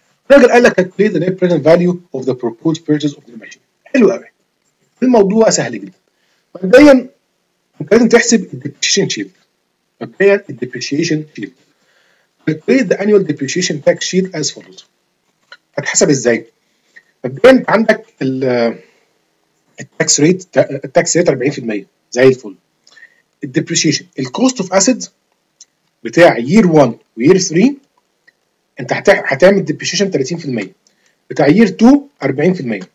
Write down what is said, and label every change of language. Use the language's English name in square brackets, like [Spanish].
[Arabic] الراجل قال لك [English] calculate the net present value of the proposed purchase of the machine. [Arabic] حلو قوي الموضوع سهل جدا. مبدئيا لازم تحسب depreciation shield. [English] مبدئيا depreciation shield calculate the annual depreciation tax shield as follows. [Arabic] هتحسب ازاي؟ مبدئيا عندك التاكس ريت 40% زي الفل. depreciation ال cost of assets بتاع year 1 و year 3 انت هتعمل ديبريشيشن 30% بتاع يير 2 40%.